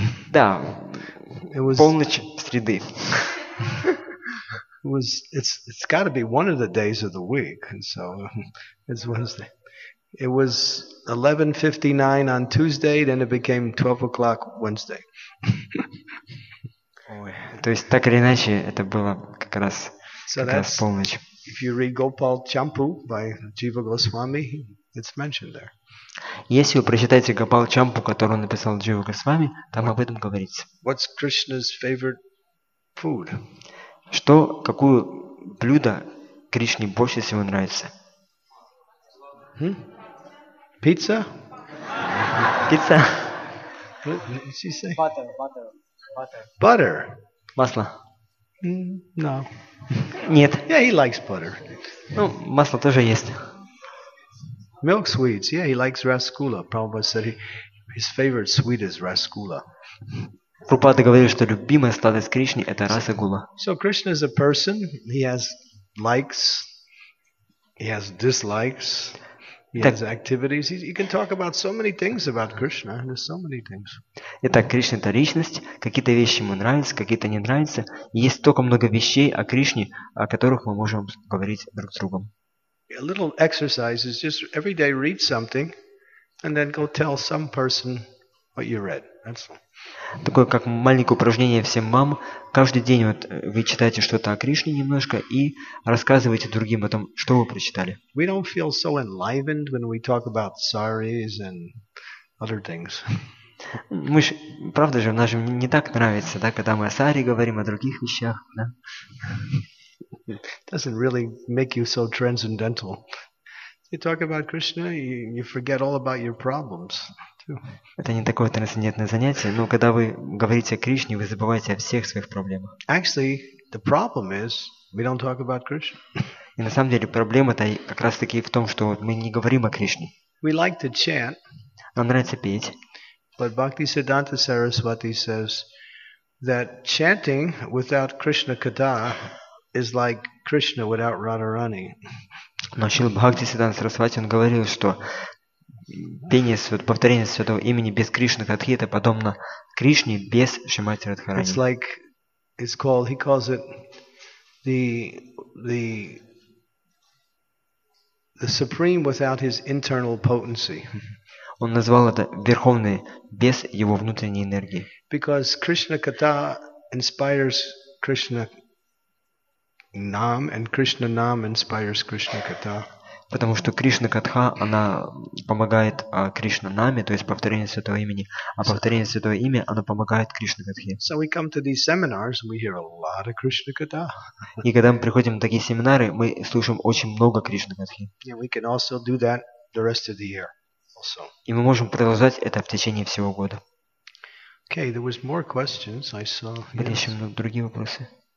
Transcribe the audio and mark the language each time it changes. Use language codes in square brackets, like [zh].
[ru] Да. [en] It was [ru] полночь в среды. [en] It's got to be one of the days of the week, and so it's Wednesday. It was 11:59 on Tuesday, then it became 12:00 Wednesday. [ru] То есть так или иначе это было как раз полночь. [en] If you read Gopal Champu by Jiva Goswami, it's mentioned there. [ru] Если вы прочитаете Гопал Чампу, которую написал Джива Госвами, там об этом говорится. [en] What's Krishna's favorite food? [ru] Что, какое блюдо Кришне больше всего нравится? Пицца? Пицца. [en] What did she say? Butter. [ru] Масло. [en] No. [ru] Нет. [en] Yeah, he likes butter. [ru] Ну, масло тоже есть. [en] Milk sweets, yeah, he likes rasgulla. Prabhupada said his favorite sweet is rasgulla. [ru] Прабхупада говорил, что любимая сладость Кришны это расагула. [en] So Krishna is a person. He has likes. He has dislikes. He has activities. You can talk about so many things about Krishna. There's so many things. [ru] Итак, Кришна это личность. Какие-то вещи ему нравятся, какие-то не нравятся. Есть столько много вещей о Кришне, о которых мы можем говорить друг с другом. [en] A little exercise is just every day read something and then go tell some person what you read. That's [ru] такое как маленькое упражнение всем вам. Каждый день вот вы читаете что-то о Кришне немножко и рассказываете другим о том, что вы прочитали. [en] We don't feel so enlivened when we talk about saris and other things. [ru] Мы ж, правда же, нам же не так нравится, да, когда мы о саре говорим, о других вещах, да? [en] It doesn't really make you so transcendental. You talk about Krishna, you forget all about your problems. [ru] Это не такое трансцендентное занятие, но когда вы говорите о Кришне, вы забываете о всех своих проблемах. [en] Actually, the problem is we don't talk about Krishna. [ru] И на самом деле проблема-то как раз-таки в том, что мы не говорим о Кришне. [en] We like to chant. [ru] Нам нравится петь. [en] But Bhakti Siddhanta Saraswati says that chanting without Krishna Katha is like Krishna without Radharani. [ru] Но Шрила Бхакти Сиддханта Сарасвати он говорил, что пение, вот повторение святого имени без Кришны Катхи это подобно Кришне без Шримати Радхарани. [en] It's like it's called, he calls it the supreme without his internal potency. [ru] Он назвал это верховный без его внутренней энергии. [en] Because Krishna Katha inspires Krishna Nam and Krishna Nam inspires Krishna Katha. [ru] Потому что Кришна Катха, она помогает Кришна нами, то есть повторение Святого Имени. А повторение Святого Имя, оно помогает Кришна Катхе. [en] So we come to these seminars and we hear a lot of Krishna Katha. [ru] И когда мы приходим на такие семинары, мы слушаем очень много Кришна Катхи. [en] Yeah, we can also do that the rest of the year also. [ru] И мы можем продолжать это в течение всего года. [en] Okay, there was more questions I saw. [ru] Были еще много другие вопросы.